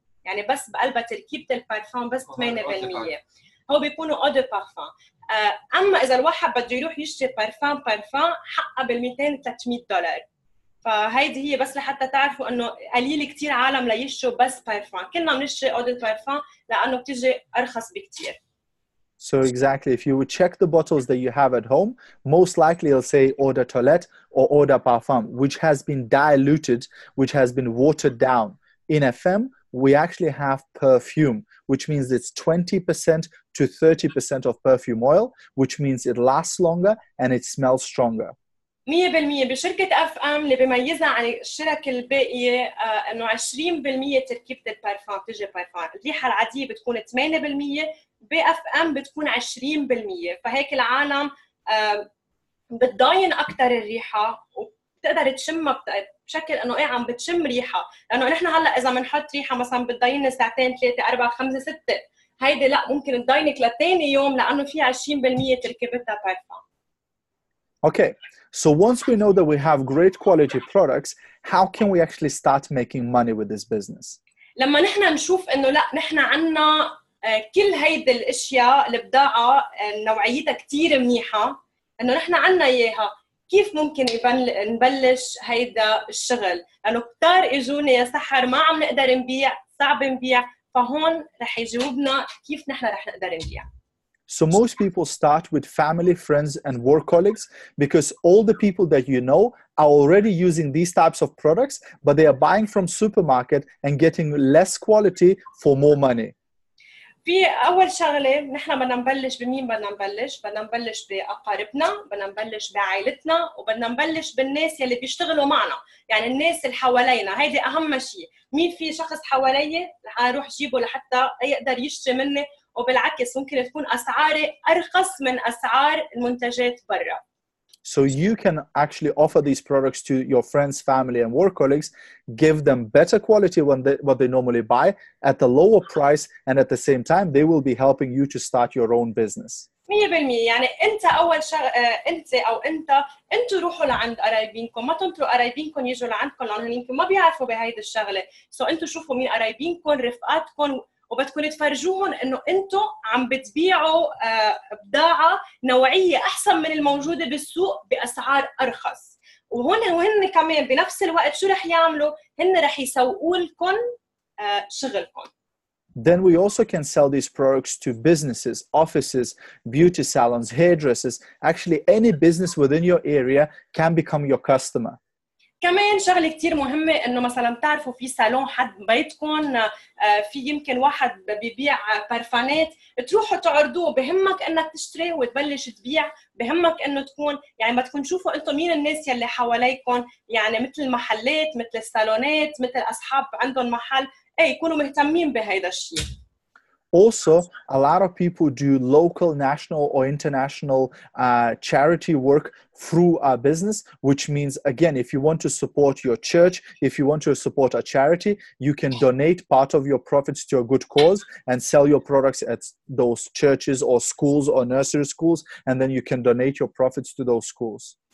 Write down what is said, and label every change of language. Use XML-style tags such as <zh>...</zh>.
<ar>يعني بس بقلبها تركيبة البارفان بس 8% هو بيكونوا أو دو بارفان أما إذا الواحد بده يروح يشتري بارفان حقه بالمئتين 300 دولار فهيدي هي بس لحتى تعرفوا أنه قليل كتير عالم ليشتروا بس بارفان كلنا بنشتري أو دو بارفان لأنه بتجي أرخص بكتير</ar> <en>So exactly, if you would check the bottles that you have at home, most likely it'll say eau de toilette or eau de parfum, which has been diluted, which has been watered down. In FM, we actually have perfume, which means it's 20% to 30% of perfume oil, which means it lasts longer and it smells stronger.</en> <ar>100% بشركة FM اللي بيميزها عن الشركة الباقية انه 20% تركيبة البارفان تجي بارفان الريحة العادية بتكون 8% بFM بتكون 20% فهيك العالم بتضاين أكتر الريحة وبتقدر تشمها بتقدر بشكل انه ايه عم بتشم ريحة لانه نحن هلا اذا بنحط ريحة مثلا بتضاين ساعتين ثلاثة اربعة خمسة ستة هيدا لا ممكن تضاينك لتاني يوم لانه في 20% تركيبتها بارفان</ar> <en>Okay, so once we know that we have great quality products, how can we actually start making money with this business?</en> <ar>لما نحن نشوف انه لا نحن عنا كل هيدي الاشياء البضاعة نوعيتها كتير منيحة انه نحن عنا اياها كيف ممكن نبلش هيدا الشغل؟ لأنه كتار يجوني يا سحر ما عم نقدر نبيع، صعب نبيع، فهون رح يجاوبنا كيف نحن رح نقدر نبيع.</ar> <en>So most people start with family, friends and work colleagues because all the people that you know are already using these types of products but they are buying from supermarket and getting less quality for more money.</en> <ar>في أول شغلة نحن بدنا نبلش بمين بدنا نبلش؟ بدنا نبلش بأقاربنا، بدنا نبلش بعائلتنا وبدنا نبلش بالناس يلي بيشتغلوا معنا يعني الناس اللي حوالينا هيدي أهم شيء مين في شخص حوالي هروح جيبه لحتى يقدر يشتري مني وبالعكس ممكن تكون أسعاري أرخص من أسعار المنتجات برا</ar> <en>So you can actually offer these products to your friends, family, and work colleagues, give them better quality than what they normally buy at the lower price, and at the same time, they will be helping you to start your own business.</en> <ar>100%. يعني انت اول انت او انت انتوا روحوا لعند قرايبينكم، ما تنطروا قرايبينكم يجوا لعندكم لانهم يمكن ما بيعرفوا بهيدي الشغله. سو انتوا شوفوا مين قرايبينكم رفقاتكم، وبتكون تفرجوهم انه انتوا عم بتبيعوا بضاعه نوعيه احسن من الموجوده بالسوق باسعار ارخص. وهون وهن كمان بنفس الوقت شو رح يعملوا؟ هن رح يسوقوا لكم شغلكم.</ar> <en>Then we also can sell these products to businesses, offices, beauty salons, hairdressers. Actually, any business within your area can become your customer.</en> <ar>كمان شغلة كتير مهمة إنه مثلاً تعرفوا في صالون حد بيتكم، في يمكن واحد ببيع برفانات، تروحوا تعرضوه، بهمك إنك تشتري وتبلش تبيع، بهمك إنه تكون يعني ما تكون شوفوا أنتم مين الناس يلي حواليكم، يعني مثل المحلات، مثل الصالونات، مثل أصحاب عندهم محل. أي يكونوا مهتمين بهذا الشيء.</ar> <en>Also, a lot of people do local, national, or international charity work through a business, which means, again, if you want to support your church, if you want to support a charity, you can donate part of your profits to a good cause and sell your products at those churches or schools or nursery schools, and then you can donate your profits to those schools.</en>